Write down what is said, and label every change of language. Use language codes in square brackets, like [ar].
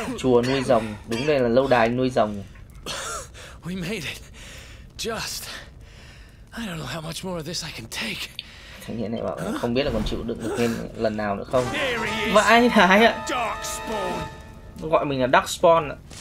[vi] Chùa nuôi rồng, đúng đây là lâu đài nuôi rồng. [en] We made it. Just. I don't know how much more of this I can take. [vi] Thằng nhện này bảo không biết là còn chịu đựng được thêm lần nào nữa không. Vãi thái ạ. Nó gọi mình là Darkspawn.